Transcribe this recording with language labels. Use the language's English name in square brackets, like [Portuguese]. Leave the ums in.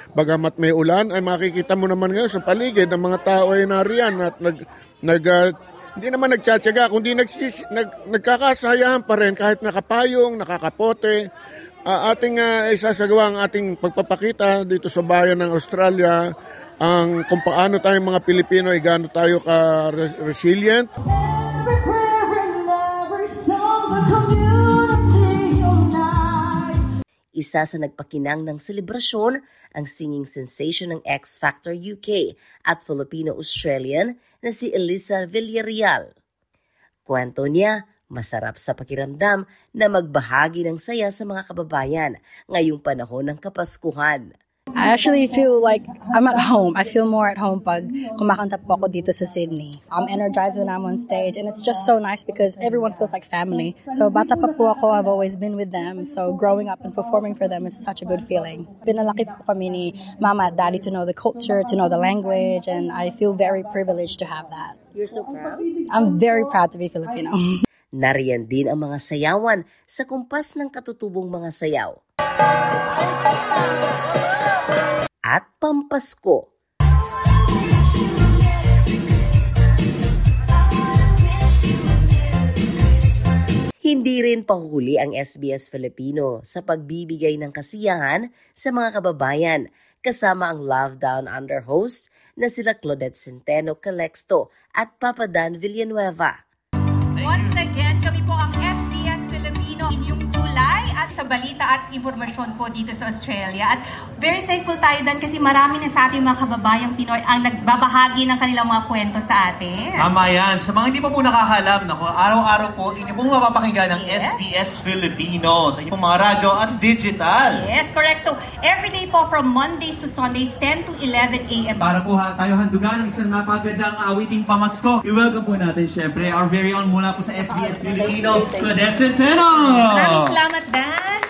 [Filipino] Bagamat may ulan, ay makikita mo naman ngayon sa paligid ang mga tao ay nariyan at nag, nag ah, hindi naman nagtsatsaga, kundi nagsis, nag, nagkakasayahan pa rin kahit nakapayong, nakakapote. Ah, ating ah, isasagawa ang ating pagpapakita dito sa bayan ng Australia ang kung paano tayong mga Pilipino ay gaano tayo ka-resilient [English] Every prayer and every song, the community unites. [Filipino] Isa sa nagpakinang ng selebrasyon ang singing sensation ng X Factor UK at Filipino-Australian na si Elisa Villarreal. Kwento niya, masarap sa pakiramdam na magbahagi ng saya sa mga kababayan ngayong panahon ng Kapaskuhan. [English] I actually feel like I'm at home. I feel more at home [Filipino] pag kumakanta po ako dito sa [English] Sydney. I'm energized when I'm on stage and it's just so nice because everyone feels like family. [Filipino] So bata pa po ako, [English] I've always been with them. So growing up and performing for them is such a good feeling. [Filipino] Pinalaki po kami ni mama at daddy [English] to know the culture, to know the language and I feel very privileged to have that. You're so proud? I'm very proud to be Filipino. [Filipino] Nariyan din ang mga sayawan sa kumpas ng katutubong mga sayaw. At Pampasko Hindi rin pahuli ang SBS Filipino sa pagbibigay ng kasiyahan sa mga kababayan kasama ang Love Down Under host na sila Claudette Centeno Calexto at Papa Dan Villanueva. [English] Once again, [Filipino] kami po ang SBS Filipino, inyong tulay at sa balita at impormasyon po dito sa Australia. At [English] very thankful [Filipino] tayo dan kasi marami na sa ating mga kababayang Pinoy ang nagbabahagi ng kanilang mga kwento sa atin. Tama yan. Sa mga hindi pa po nakakalam, nako, araw-araw po, inyo pong mapapakinggan ng [English] Yes. [Filipino] SBS Filipino sa inyong mga radyo at digital. [English] Yes, correct. So, every day po from Mondays to Sundays, 10 to 11 a.m. [Filipino] Para po ha, tayo handugan ng isang napagandang awiting pamasko. I-welcome po natin, syempre, [English] our very own [Filipino] mula po sa SBS Filipino, Claudette Centeno! Maraming salamat, Dan.